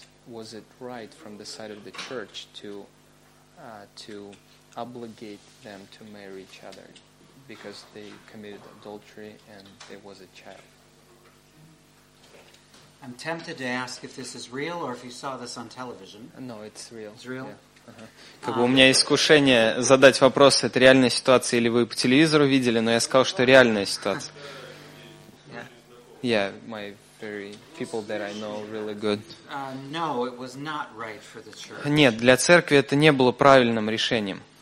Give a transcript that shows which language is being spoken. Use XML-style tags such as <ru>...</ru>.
<en>Was it right from the side of the church to obligate them to marry each other because they committed adultery and there was a child? I'm tempted to ask if this is real or if you saw this on television. No, it's real. It's real. Yeah.</en> <ru>Как бы у меня искушение задать вопрос, это реальная ситуация или вы по телевизору видели, но я сказал, что реальная ситуация.</ru> <en>Yeah, my very people that I know really good. No, it was not right for the church.</en> <ru>Нет, для церкви это не было правильным решением.</ru>